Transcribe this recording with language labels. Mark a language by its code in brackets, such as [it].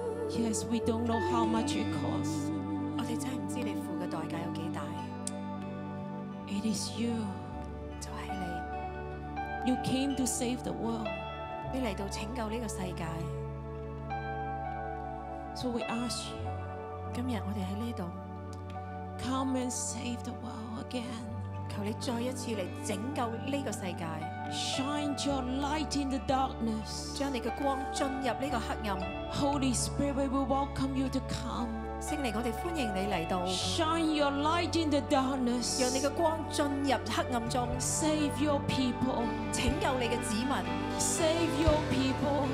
[en] Yes, we don't know how much it costs. [yue] 我哋真系唔知你付嘅代价有几大。 [en] It is you. [yue] 就系你。 [en] You came to save the world. [yue] 你嚟到拯救呢个世界。 [en] So we ask you. [yue] 今日我哋喺呢度。 [en] Come and save the world again. [yue] 求你再一次嚟拯救呢个世界。 [en] Shine your light in the darkness. [yue] 将你嘅光进入呢个黑暗。 [en] Holy Spirit, we will welcome you to come. [yue] 圣灵，我哋欢迎你嚟到。 [en] Shine your light in the darkness. [yue] 让你嘅光进入黑暗中。 [en] Save your people. [yue] 拯救你嘅子民。 [en] Save your people.